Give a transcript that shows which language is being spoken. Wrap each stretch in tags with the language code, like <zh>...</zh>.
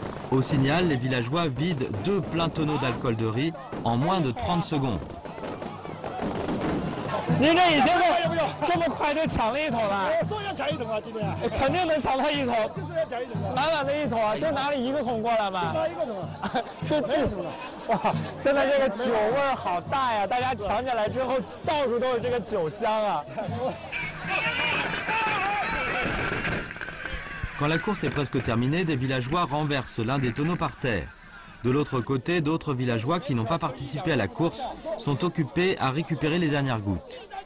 <fr>Au signal, les villageois vident deux pleins tonneaux d'alcool de riz en moins de 30 secondes.</fr> <zh>您这已经这么快就抢了一桶了，送上抢一桶啊，今天肯定能抢到一桶，满满的一桶，就拿了一个桶过来嘛。是这，哇，现在这个酒味好大呀，大家抢起来之后，到处都是这个酒香啊。</zh> <fr>Quand la course est presque terminée, des villageois renversent l'un des tonneaux par terre. De l'autre côté, d'autres villageois qui n'ont pas participé à la course sont occupés à récupérer les dernières gouttes.</fr>